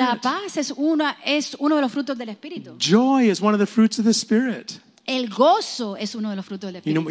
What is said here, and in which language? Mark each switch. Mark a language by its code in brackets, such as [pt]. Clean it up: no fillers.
[es] La paz es uno de los frutos del Espíritu. [en] Joy is one of the fruits of the Spirit. [es] El gozo es uno de los frutos del Espíritu.